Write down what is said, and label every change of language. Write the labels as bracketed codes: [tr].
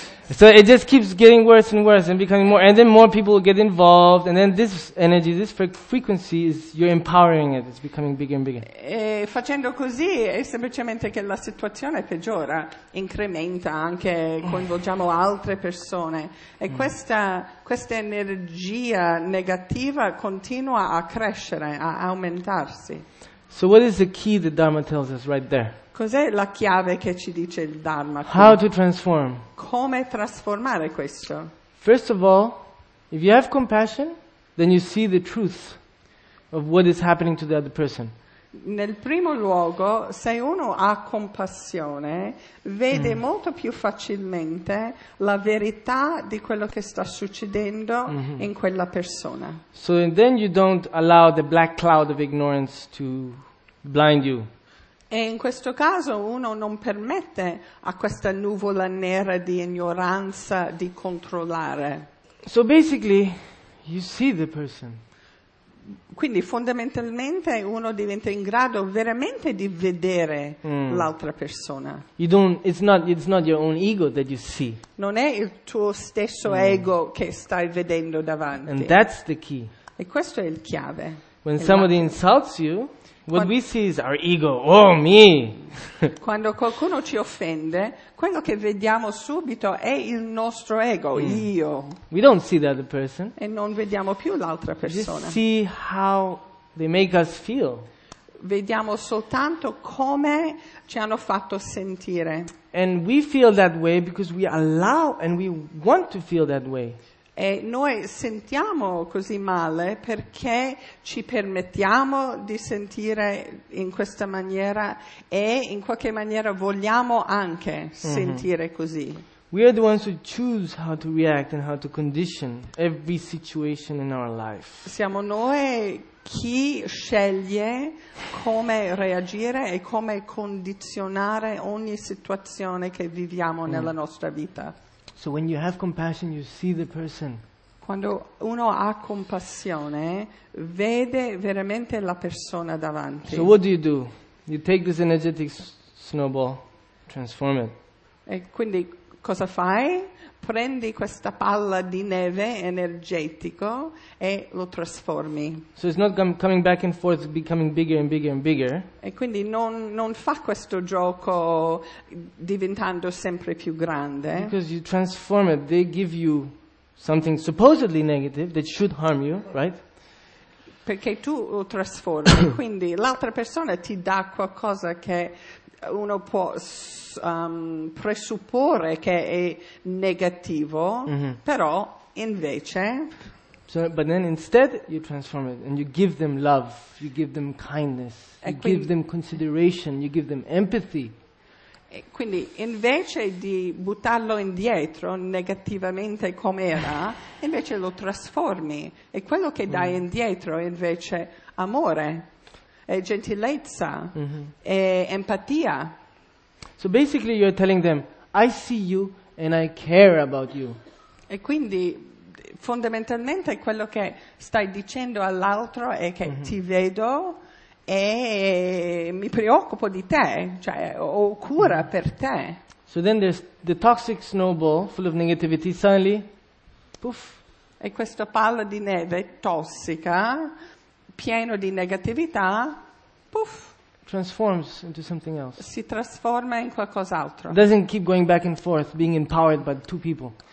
[en] So it just keeps getting worse and worse and becoming more, and then more people get involved, and then this energy, this frequency is, you're empowering it, it's becoming bigger and bigger. [it] E facendo così è semplicemente che la situazione peggiora, incrementa, anche coinvolgiamo altre persone, e questa energia negativa continua a crescere, a aumentarsi. [en] So what is the key that Dharma tells us right there? [it] Cos'è la chiave che ci dice il Dharma? [en] How to transform? [it] Come trasformare questo? [en] First of all, if you have compassion, then you see the truth of what is happening to the other person. [it] Nel primo luogo, se uno ha compassione, vede molto più facilmente la verità di quello che sta succedendo in quella persona. [en] So then you don't allow the black cloud of ignorance to blind you. [it] E in questo caso uno non permette a questa nuvola nera di ignoranza di controllare. [en] So basically, you see the person. [it] Quindi fondamentalmente uno diventa in grado veramente di vedere l'altra persona. [en] It's not your own ego that you see. [it] Non è il tuo stesso ego che stai vedendo davanti. [en] And that's the key. [it] E questo è il chiave. [en] When somebody insults you, what we see is our ego. Oh, me! [it] Quando qualcuno ci offende, quello che vediamo subito è il nostro ego, io. [en] We don't see the other person. [it] E non vediamo più l'altra persona. [en] We see how they make us feel. [it] Vediamo soltanto come ci hanno fatto sentire. [en] And we feel that way because we allow and we want to feel that way. [it] E noi sentiamo così male perché ci permettiamo di sentire in questa maniera e in qualche maniera vogliamo anche sentire così. [en] We are the ones who choose how to react and how to condition every situation in our life. [it] Siamo noi chi sceglie come reagire e come condizionare ogni situazione che viviamo nella nostra vita. [en] So when you have compassion, you see the person. [it] Quando uno ha compassione, vede veramente la persona davanti. [en] So what do? You take this energetic snowball, transform it. [it] E quindi cosa fai? Prendi questa palla di neve energetico e lo trasformi. [en] So it's not coming back and forth, it's becoming bigger and bigger and bigger. [it] E quindi non fa questo gioco diventando sempre più grande. [en] Because you transform it, they give you something supposedly negative that should harm you, right? [it] Perché tu lo trasformi, quindi l'altra persona ti dà qualcosa che uno può presupporre che è negativo, mm-hmm. però invece. [en] So, but then instead you transform it and you give them love, you give them kindness, you give them consideration, you give them empathy. [it] E quindi invece di buttarlo indietro negativamente com'era, invece lo trasformi e quello che dai indietro è invece amore e gentilezza e empatia. [en] So basically you're telling them, I see you and I care about you. [it] E quindi fondamentalmente quello che stai dicendo all'altro è che ti vedo e mi preoccupo di te, cioè ho cura per te. [en] So then there's the toxic snowball full of negativity, suddenly, poof. [it] E questa palla di neve tossica, pieno di negatività, poof. [en] Transforms into something else. [it] Si trasforma in qualcos'altro. [en] Doesn't keep going back and forth, being empowered by two people.